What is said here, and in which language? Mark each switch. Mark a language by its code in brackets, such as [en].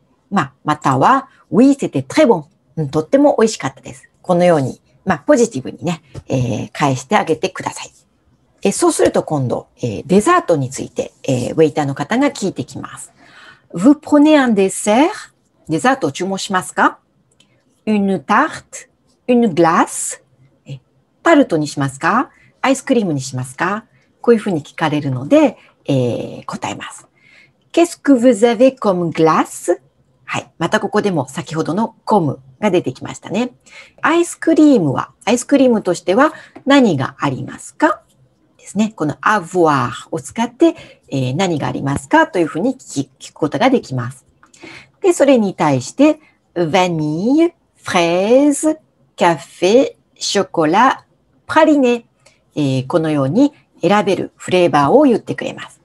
[ja] まあ、または、 [fr] oui, c'était très bon。 [ja] うん、とっても美味しかったです。このように、まあ、ポジティブにね、返してあげてください。そうすると今度、デザートについて、ウェイターの方が聞いてきます。 [fr] Vous prenez un dessert? [ja] デザートを注文しますか？ [fr] Une tarte? Une glace? [ja] タルトにしますか？アイスクリームにしますか？こういうふうに聞かれるので、答えます。 [fr] Qu'est-ce que vous avez comme glace? [ja] はい。またここでも先ほどのコムが出てきましたね。アイスクリームは、アイスクリームとしては何がありますかですね。この avoir を使って、何がありますかというふうに聞くことができます。で、それに対して、 [fr] vanille, fraise, café, chocolat, praliné、 [ja] このように選べるフレーバーを言ってくれます。